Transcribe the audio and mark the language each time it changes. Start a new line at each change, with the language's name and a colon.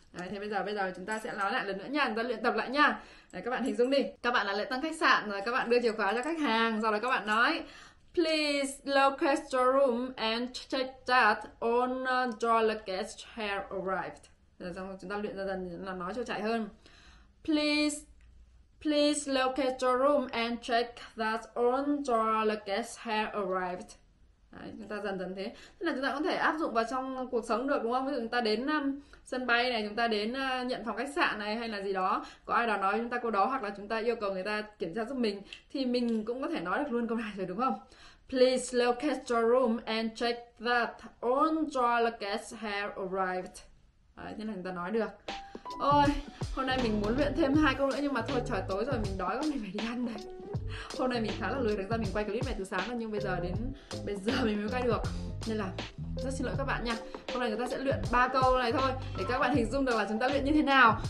Vietnamese: Đấy, thế bây giờ chúng ta sẽ nói lại lần nữa nha, chúng ta luyện tập lại nha. Đấy, các bạn hình dung đi, các bạn là lễ tân khách sạn rồi, các bạn đưa chìa khóa cho khách hàng, sau đó các bạn nói
English: please locate your room and check that all your luggage have arrived.
Vietnamese: Rồi xong chúng ta luyện dần dần là nói cho chạy hơn.
English: Please please locate your room and check that all your luggage have arrived.
Vietnamese: Đấy, chúng ta dần dần thế. Tức là chúng ta có thể áp dụng vào trong cuộc sống được đúng không? Ví dụ chúng ta đến sân bay này, chúng ta đến nhận phòng khách sạn này hay là gì đó, có ai đó nói chúng ta câu đó hoặc là chúng ta yêu cầu người ta kiểm tra giúp mình thì mình cũng có thể nói được luôn câu này rồi đúng không?
English: Please locate your room and check that all your guests have arrived.
Vietnamese: Đấy, thế là chúng ta nói được. Ôi, hôm nay mình muốn luyện thêm hai câu nữa nhưng mà thôi trời tối rồi mình đói quá mình phải đi ăn đây. Hôm nay mình khá là lười, thực ra mình quay clip này từ sáng rồi nhưng bây giờ mình mới quay được. Nên là rất xin lỗi các bạn nha. Hôm nay chúng ta sẽ luyện ba câu này thôi để các bạn hình dung được là chúng ta luyện như thế nào.